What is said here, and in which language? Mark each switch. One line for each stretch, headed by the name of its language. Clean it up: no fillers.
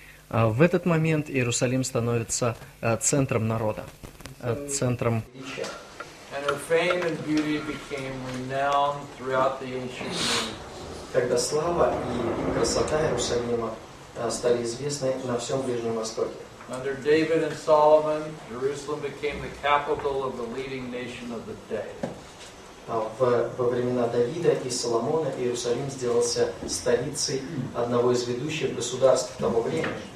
Russian: В этот момент Иерусалим становится центром народа, центром.
English: And her fame and beauty became renowned throughout the ancient world.
Russian: Когда слава и красота Иерусалима стали известны на всем Ближнем Востоке.
English: Under David and Solomon, Jerusalem became the capital of the leading nation of the day.
Russian: Во времена Давида и Соломона Иерусалим сделался столицей одного из ведущих государств того времени.